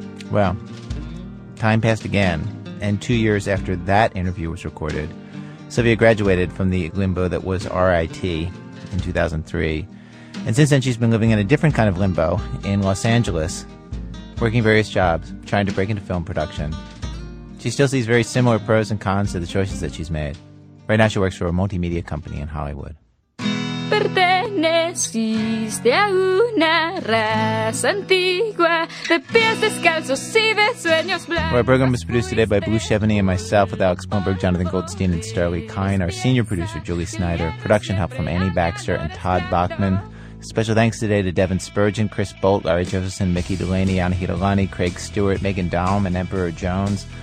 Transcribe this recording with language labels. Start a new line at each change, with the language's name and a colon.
English: Well, time passed again, and 2 years after that interview was recorded, Sylvia graduated from the limbo that was RIT in 2003. And since then, she's been living in a different kind of limbo in Los Angeles, working various jobs, trying to break into film production. She still sees very similar pros and cons to the choices that she's made. Right now, she works for a multimedia company in Hollywood.
Spanish: Perteneciste a una raza antigua de pies descalzos y de sueños blancos.
English: Our program was produced today by Blue Chevenix and myself, with Alex Blumberg, Jonathan Goldstein, and Starley Kine. Our senior producer, Julie Snyder. Production help from Annie Baxter and Todd Bachman. Special thanks today to Devin Spurgeon, Chris Bolt, Larry Josephson, Mickey Delaney, Anahit Alani, Craig Stewart, Megan Daum, and Emperor Jones.